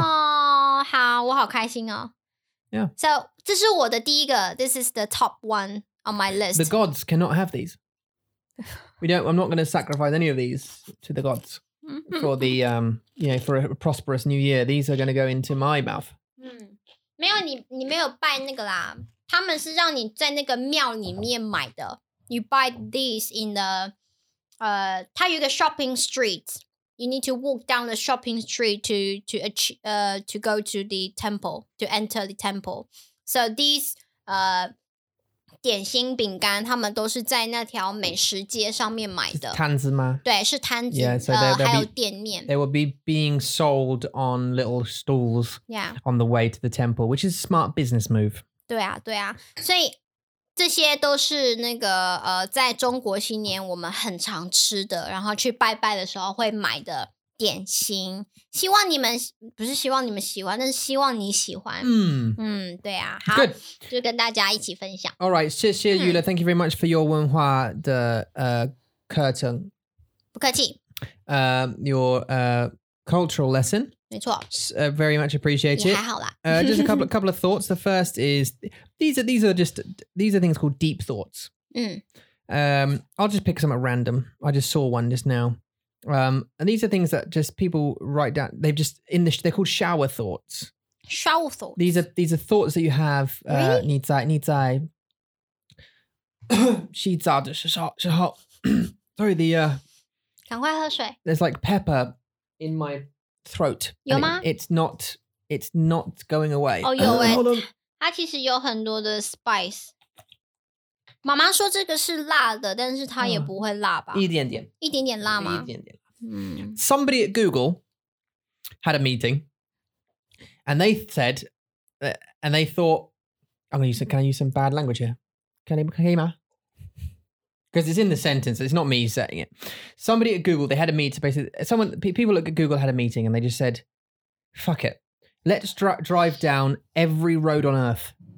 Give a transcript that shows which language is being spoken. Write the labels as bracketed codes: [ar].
[zh] 哦、oh, ，好，我好开心哦。 [en] Yeah. So [zh] 这是我的第一个 [en] ，This is the top one on my list. The gods cannot have these. We don't. I'm not going to sacrifice any of these to the gods for the you know, for a prosperous new year. These are going to go into my mouth. [zh] 嗯，没有你没有拜那个啦。他们是让你在那个庙里面买的。 [en] You buy these in the [zh] 它有一个 [en] shopping street. You need to walk down the shopping street to achieve, to go to the temple, to enter the temple. So these [zh] 点心饼干他们都是在那条美食街上面买的。摊子吗？对，是摊子。 [en] Yeah, so [zh] 还有店面。 [en] They will be being sold on little stalls yeah. on the way to the temple, which is a smart business move. [zh] 对啊，对啊，所以这些都是那个在中国新年我们很常吃的，然后去拜拜的时候会买的点心。希望你们不是希望你们喜欢，但是希望你喜欢。嗯嗯，对啊，好， [en] Good. [zh] 就跟大家一起分享。 [en] All right, 谢谢 Yula, thank you very much for your [zh] 文化的课程。不客气。 [en] Your cultural lesson. Very much appreciate it. [zh] 你还好啦。 [en] Just a couple of thoughts. The first is, these are things called deep thoughts. Mm. I'll just pick some at random. I just saw one just now. And these are things that just people write down. They've just, they're called shower thoughts. Shower thoughts. These are thoughts that you have. Really? [zh] 你在 洗澡的时候 [en] Sorry, [zh] 赶快喝水。 [en] There's like pepper in my... throat. [zh] 有吗? [en] It's not going away. [zh] Oh, 有耶。它其实有很多的 spice. 妈妈说这个是辣的，但是它也不会辣吧？一点点。一点点辣吗？一点点。嗯。 [en] Somebody at Google had a meeting, and they said, and they thought, can I use some bad language here? Can I? Because it's in the sentence, it's not me saying it. Somebody at Google, they had a meeting, basically, people at Google had a meeting and they just said, fuck it, let's drive down every road on earth.